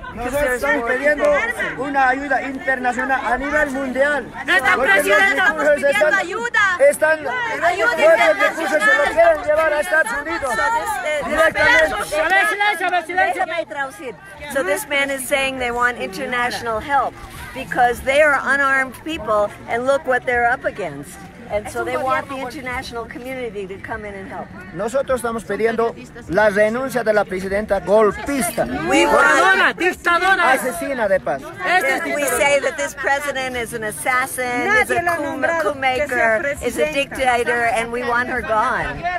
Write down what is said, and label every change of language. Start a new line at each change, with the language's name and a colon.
English: So this man is saying they want international help. because they are unarmed people, and look what they're up against. And so they want the international community to come in and help.
Spanish: Nosotros estamos pidiendo la renuncia de la presidenta golpista. Dictadora. Asesina de paz.
English: We say that this president is an assassin, is a coup maker, is a dictator, and we want her gone.